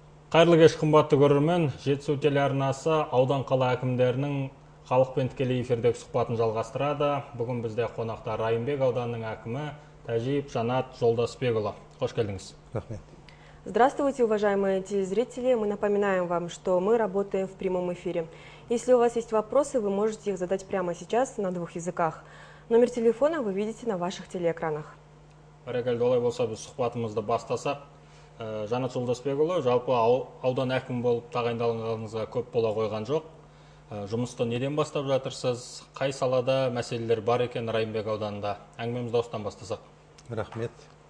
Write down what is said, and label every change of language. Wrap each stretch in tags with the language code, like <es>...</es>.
<kk>Қайырлы кеш, қымбатты көрермен. Жетісу телеарнасы аудан қала әкімдерінің халықпен тікелей эфирдегі сұхбатын жалғастырады. Бүгін бізде қонақта Райымбек ауданының әкімі Тәжиев Жанат Жолдасбекұлы. Қош келдіңіз. Рахмет.</kk> <ru>Здравствуйте, уважаемые телезрители. Мы напоминаем вам, что мы работаем в прямом эфире. Если у вас есть вопросы, вы можете их задать прямо сейчас на двух языках. Номер телефона вы видите на ваших телеэкранах.</ru> <kk>Бәрекелді, олай болса, біз сұхбатымызды бастасақ. Жанат Жолдасбекұлы, жалпы аудан әкімі болып тағайындалғаныңызға көп бола қойған жоқ. Жұмысты неден бастап жатырсыз? Қай салада мәселелер бар екен Райымбек ауданында? Әңгімемізді осыдан бастасақ. Рахмет.</kk>